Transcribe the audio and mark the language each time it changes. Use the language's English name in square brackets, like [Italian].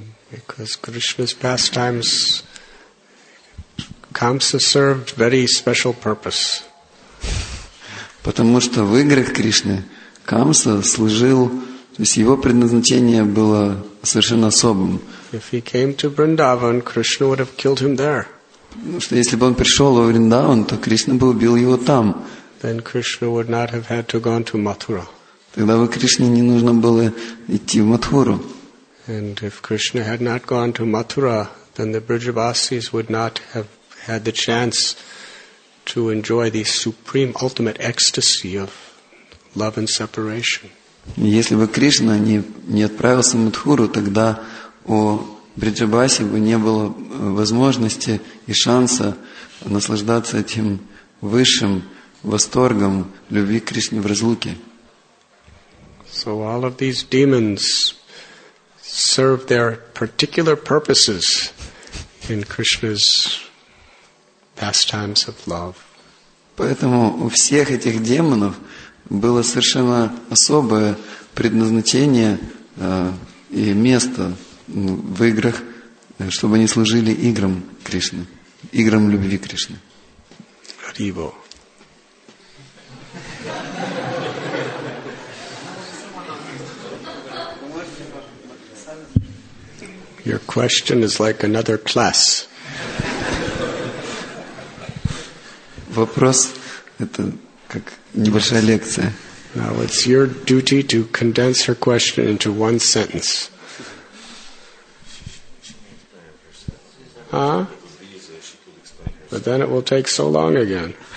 [English] Because Krishna's pastimes, Kamsa served very special purpose. [Russian] Потому что в играх Кришны Камса служил... То есть его предназначение было совершенно особым. [English] If he came to Vrindavan, Krishna would have killed him there. [Russian] Потому что если бы он пришел во Вриндаван, то Кришна бы убил его там. [English] Then Krishna would not have had to go to Mathura. [Russian] Тогда бы Кришне не нужно было идти в Матхуру. [English] And if Krishna had not gone to Mathura, then the Brijavasis would not have had the chance to enjoy the supreme ultimate ecstasy of love and separation. [Russian] Если бы Кришна не отправился в Матхуру, тогда у Бриджабаси бы не было возможности и шанса наслаждаться этим высшим восторгом любви к Кришне в разлуке. [English] So all of these demons serve their particular purposes in Krishna's pastimes of love. [Russian] Поэтому у всех этих демонов было совершенно особое предназначение и место в играх, чтобы они служили играм Кришны, играм любви Кришны. Рибо. [English] Your question is like another class. [Russian] Вопрос это как небольшая лекция. [English] Now it's your duty to condense her question into one sentence. Huh? But then it will take so long again.